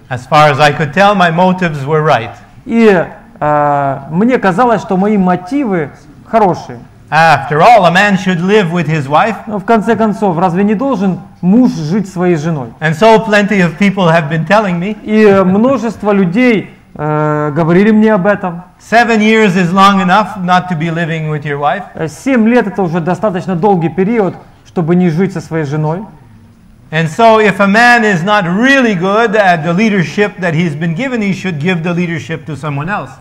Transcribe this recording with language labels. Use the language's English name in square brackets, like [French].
[English] As far as I could tell, my motives were right. [Russian] И мне казалось, что мои мотивы хорошие. [English] After all, a man should live with his wife. [Russian] Но в конце концов, разве не должен муж жить своей женой? [English] And so plenty of people have been telling me. [Russian] И множество людей говорили мне об этом. [English] 7 years is long enough not to be living with your wife. [Russian] 7 лет это уже достаточно долгий период, чтобы не жить со своей женой. [English] And so, if a man is not really good at the leadership that he's been given, he should give the leadership to someone else.